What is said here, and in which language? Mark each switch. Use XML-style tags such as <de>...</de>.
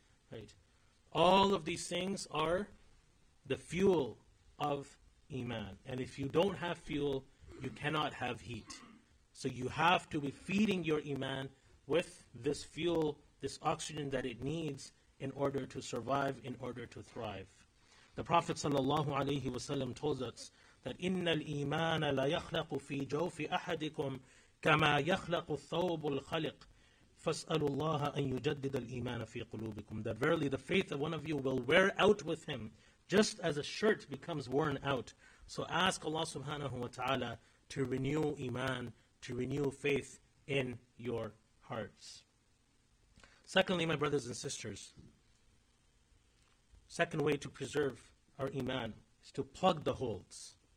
<en>Right? All of these things are the fuel of iman. And if you don't have fuel, you cannot have heat. So you have to be feeding your iman with this fuel, this oxygen that it needs in order to survive, in order to thrive. The Prophet sallallahu alaihi wasallam told us that</en> <ar>إِنَّ الْإِيمَانَ لَيَخْلَقُ فِي جَوْفِ أَحَدِكُمْ كَمَا يَخْلَقُ الثَّوْبُ الْخَلِقُ فَاسْأَلُ اللَّهَ أَن يُجَدِّدَ الْإِيمَانَ فِي قُلُوبِكُمْ.</ar> <en>That verily the faith of one of you will wear out with him, just as a shirt becomes worn out. So ask Allah subhanahu wa ta'ala to renew iman, to renew faith in your hearts. Secondly, my brothers and sisters, second way to preserve our iman is to plug the holes.</en>